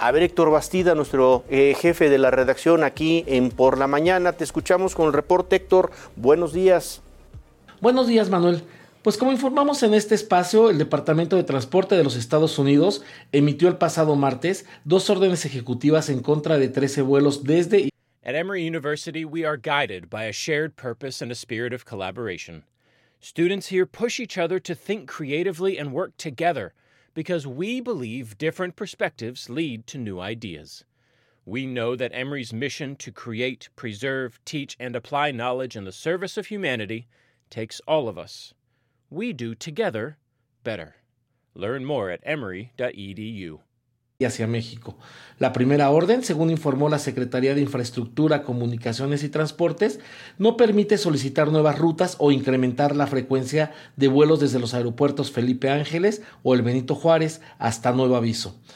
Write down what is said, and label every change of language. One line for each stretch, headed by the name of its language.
Spanish: A ver, Héctor Bastida, nuestro jefe de la redacción aquí en Por la Mañana, te escuchamos con el reporte. Héctor, buenos días. Buenos días, Manuel. Pues como informamos en este espacio, el Departamento de Transporte de los Estados Unidos emitió el pasado martes 2 órdenes ejecutivas en contra de 13 vuelos desde...
English: At Emory University, we are guided by a shared purpose and a spirit of collaboration. Students here push each other to think creatively and work together because we believe different perspectives lead to new ideas. We know that Emory's mission to create, preserve, teach, and apply knowledge in the service of humanity takes all of us. We do together better. Learn more at emory.edu.
Spanish: Y hacia México. La primera orden, según informó la Secretaría de Infraestructura, Comunicaciones y Transportes, no permite solicitar nuevas rutas o incrementar la frecuencia de vuelos desde los aeropuertos Felipe Ángeles o el Benito Juárez hasta nuevo aviso,